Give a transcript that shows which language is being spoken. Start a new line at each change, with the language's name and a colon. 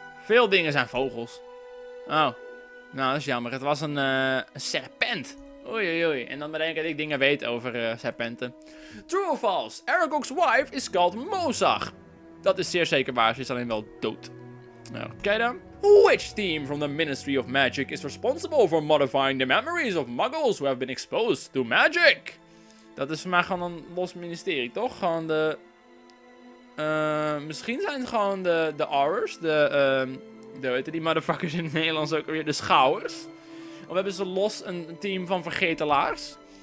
Dutch: Veel dingen zijn vogels. Oh. Nou, dat is jammer. Het was een serpent. Oei, oei, oei. En dan ben ik dat ik dingen weet over serpenten.
English: True or false? Aragog's wife is called Mosag.
Dutch: Dat is zeer zeker waar, ze is alleen wel dood. Oké dan.
English: Which team from the Ministry of Magic is responsible for modifying the memories of muggles who have been exposed to magic?
Dutch: Dat is voor mij gewoon een los ministerie, toch? Gewoon de... misschien zijn het gewoon de Aurors. De weten die motherfuckers in het Nederlands ook weer? De Schouwers. Of hebben ze los een team van vergetelaars?